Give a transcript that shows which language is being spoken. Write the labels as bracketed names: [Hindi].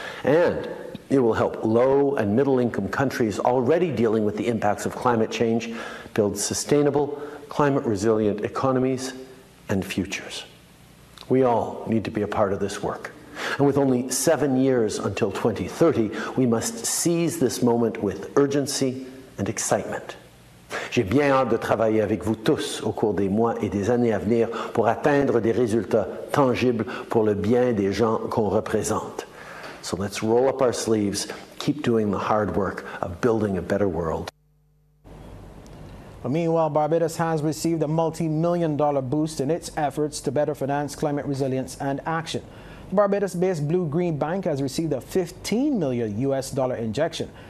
[English] And it will help low and middle-income countries already dealing with the impacts of climate change build sustainable, climate-resilient economies and futures. We all need to be a part of this work. And with only 7 years until 2030, we must seize this moment with urgency and excitement. [French] J'ai bien hâte de travailler avec vous tous au cours des mois et des années à venir pour atteindre des résultats tangibles pour le bien des gens qu'on représente. [English] So let's roll up our sleeves, keep doing the hard work of building a better world. Meanwhile, Barbados has received a multi-million-dollar boost in its efforts to better finance climate resilience and action. Barbados-based Blue Green Bank has received a $15 million U.S. dollar injection.